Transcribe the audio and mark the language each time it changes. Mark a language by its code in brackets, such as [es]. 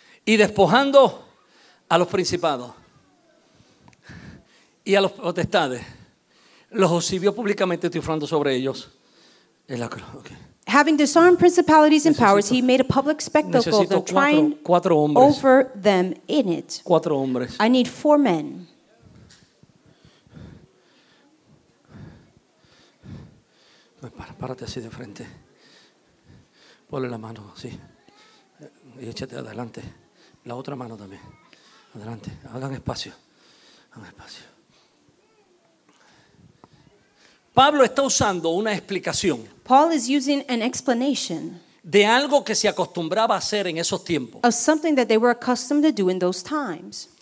[es] Y despojando a los principados y a los potestades, los exhibió públicamente triunfando sobre ellos en la cruz. [en] Okay. Having disarmed principalities and powers, he made a public spectacle of the triumph over them in it. [es] Cuatro hombres. [en] I need four men. [es] Párate así de frente. Ponle la mano, sí. Y échate adelante. La otra mano también. Adelante. Hagan espacio. Hagan espacio. Pablo está usando una explicación. [en] Paul is using an explanation. [es] de algo que se acostumbraba a hacer en esos tiempos. [en] Of something that they were accustomed to do in those times.